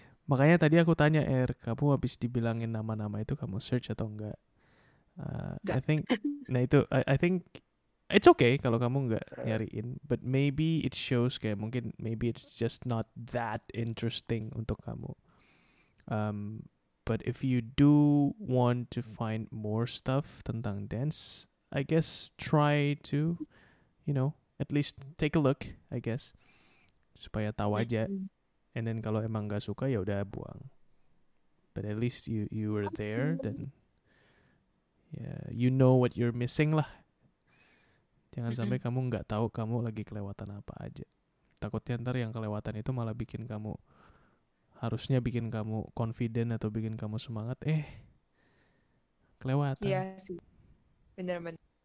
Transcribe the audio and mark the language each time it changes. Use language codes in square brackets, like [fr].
[id] Makanya tadi aku tanya Er, kamu habis dibilangin nama-nama itu kamu search atau enggak? [en] I think it's okay [id] kalau kamu enggak nyariin, [en] but maybe it shows [id] kayak mungkin [en] maybe it's just not that interesting [id] untuk kamu. [en] But if you do want to find more stuff tentang dance, I guess try to, you know, at least take a look, I guess. [id] Supaya tahu aja. [en] And then [id] kalau emang gak suka ya udah buang. [en] But at least you were there, then yeah, you know what you're missing lah. [id] Jangan sampai kamu nggak tahu kamu lagi kelewatan apa aja. Takutnya ntar yang kelewatan itu malah bikin kamu, harusnya bikin kamu confident atau bikin kamu semangat, eh kelewatan. Iya sih, benar-benar.